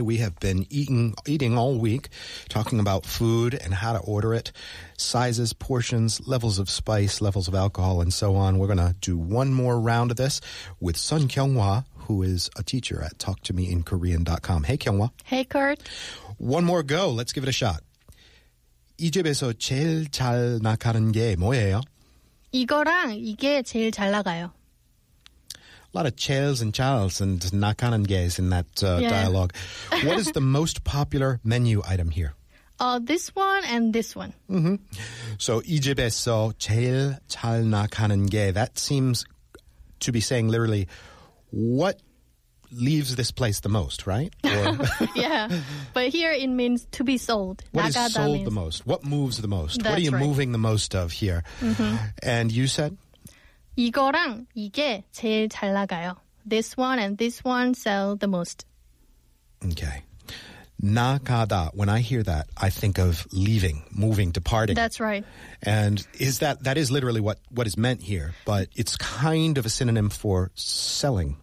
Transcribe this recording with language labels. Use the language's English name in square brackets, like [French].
[English] We have been eating all week, talking about food and how to order it, sizes, portions, levels of spice, levels of alcohol, and so on. We're going to do one more round of this with Sun Kyung-hwa, who is a teacher at talktomeinkorean.com. Hey, Kyung-hwa. Hey, Kurt. One more go. Let's give it a shot. [Korean] 이 집에서 제일 잘 나가는 게 뭐예요? 이거랑 이게 제일 잘 나가요. [English] A lot of 제일s and 잘s and 나가는 게s in that dialogue. What is the most popular menu item here? This one and this one. [Korean] So 이 집에서 제일 잘 나가는 게. [English] That seems to be saying literally, what leaves this place the most, right? Or yeah, but here it means to be sold. What is sold means the most? What moves the most? That's what are you right. moving the most of here? And you said? [Korean] 이거랑 이게 제일 잘 나가요. [English] This one and this one sell the most. Okay. 나가다, when I hear that, I think of leaving, moving, departing. That's right. And is that is literally what is meant here, but it's kind of a synonym for selling.